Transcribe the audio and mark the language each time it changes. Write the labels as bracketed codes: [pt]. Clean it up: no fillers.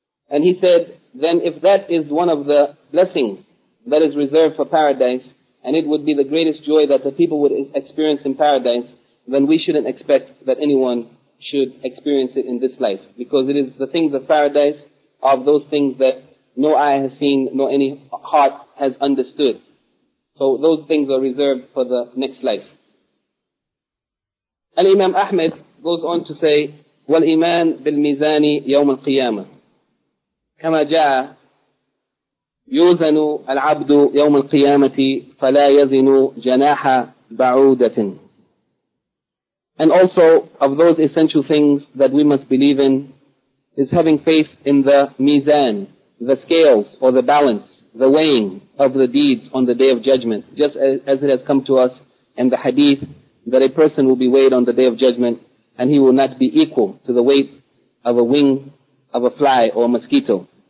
[en] And he said, then if that is one of the blessings that is reserved for paradise, and it would be the greatest joy that the people would experience in paradise, then we shouldn't expect that anyone should experience it in this life. Because it is the things of paradise, of those things that no eye has seen, nor any heart has understood. So those things are reserved for the next life. Al-Imam Ahmed goes on to say, [ar] وَالْإِيمَان بِالْمِيزَانِ يَوْمَ الْقِيَامَةِ كَمَا جَاءَ يُوزَنُ الْعَبْدُ يَوْمَ الْقِيَامَةِ فَلَا يَزِنُ جَنَاحَ بَعُودَةٍ. [en] And also of those essential things that we must believe in is having faith in the mizan, the scales or the balance, the weighing of the deeds on the Day of Judgment, just as it has come to us in the hadith that a person will be weighed on the Day of Judgment and he will not be equal to the weight of a wing of a fly or a mosquito.